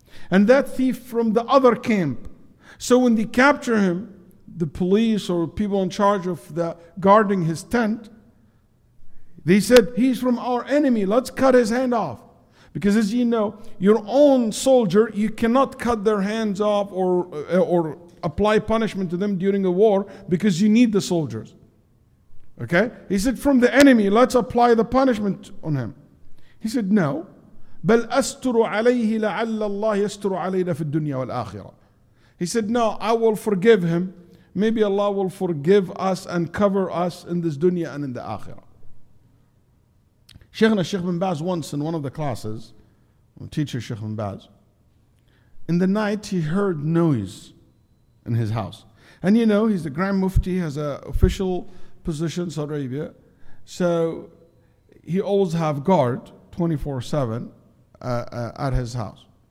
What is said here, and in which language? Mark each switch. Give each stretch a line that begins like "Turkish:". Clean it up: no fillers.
English: And that thief from the other camp. So when they capture him, the police or people in charge of the guarding his tent, they said, he's from our enemy, let's cut his hand off. Because as you know, your own soldier, you cannot cut their hands off or apply punishment to them during a war because you need the soldiers. Okay, he said, from the enemy, let's apply the punishment on him. He said, no.
Arabic: بَلْ أَسْتُرُ عَلَيْهِ لَعَلَّ اللَّهِ يَسْتُرُ عَلَيْنَا فِي الدُّنْيَا وَالْآخِرَةِ
English: He said, no, I will forgive him. Maybe Allah will forgive us and cover us in this dunya and in the akhirah. Sheikhna Sheikh bin Baz once in one of the classes, teacher Sheikh bin Baz, in the night he heard noise in his house. And you know, he's the Grand Mufti, has an official position in Saudi Arabia, so he always have guard 24/7 at his house.